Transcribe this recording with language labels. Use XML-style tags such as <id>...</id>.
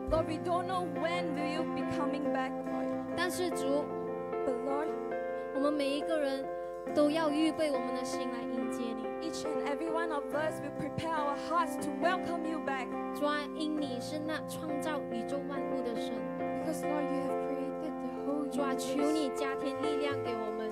<en>Lord, we don't know when will you be coming back, Lord.</en> <zh>但是主,</zh> <en>but Lord,</en> <zh>我们每一个人都要预备我们的心来迎接你,</zh> <en>each and every one of us will prepare our hearts to welcome you back.</en> <zh>主啊, 因你是那创造宇宙万物的神,</zh> <en>because Lord, you have created the whole universe.</en> <zh>主啊, 求你加添力量给我们,</zh>